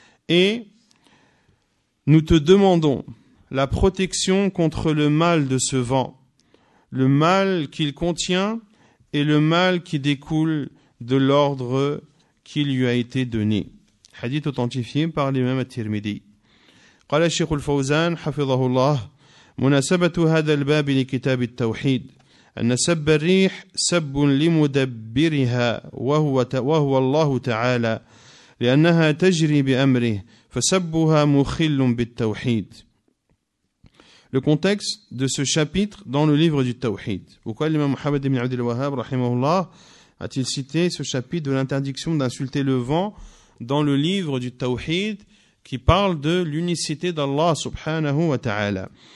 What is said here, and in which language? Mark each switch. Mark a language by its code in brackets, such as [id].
[fr] Et nous te demandons la protection contre le mal de ce vent, le mal qu'il contient et le mal qui découle de l'ordre qui lui a été donné. Hadith authentifié par l'imam At-Tirmidhi. [ar] قال الشيخ الفوزان حفظه الله مناسبة هذا الباب لكتاب التوحيد أن سب الريح سب لمدبرها وهو الله تعالى لأنها تجري بأمره فسبها مخل بالتوحيد. [fr] Le contexte de ce chapitre dans le livre du Tawhid. Pourquoi l'imam Mohammed ibn Abdel Wahhab, rahimahullah, a-t-il cité ce chapitre de l'interdiction d'insulter le vent dans le livre du Tawhid qui parle de l'unicité d'Allah subhanahu wa ta'ala?